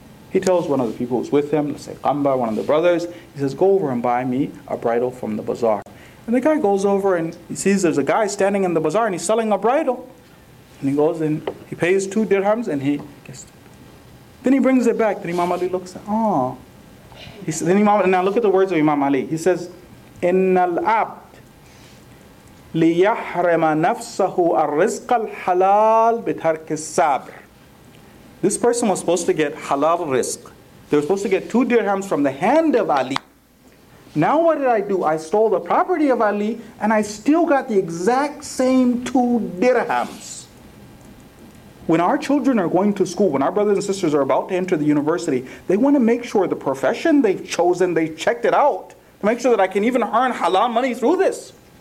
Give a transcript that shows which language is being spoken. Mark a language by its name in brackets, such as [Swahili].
[English] He tells one of the people who's with him, let's say Qamba, one of the brothers, he says, go over and buy me a bridle from the bazaar. And the guy goes over and he sees there's a guy standing in the bazaar and he's selling a bridle. And he goes and he pays 2 dirhams and he gets it. Then he brings it back. Then Imam Ali looks at, oh. He says, then Imam, now look at the words of Imam Ali. He says, [Arabic] إِنَّ الْعَبْدِ لِيَحْرِمَ نَفْسَهُ الرِّزْقَ الْحَلَالِ بِتَرْكِ السَّابْرِ. [English] This person was supposed to get halal risk. They were supposed to get 2 dirhams from the hand of Ali. Now what did I do? I stole the property of Ali and I still got the exact same 2 dirhams. When our children are going to school, when our brothers and sisters are about to enter the university, they want to make sure the profession they've chosen, they've checked it out, to make sure that I can even earn halal money through this.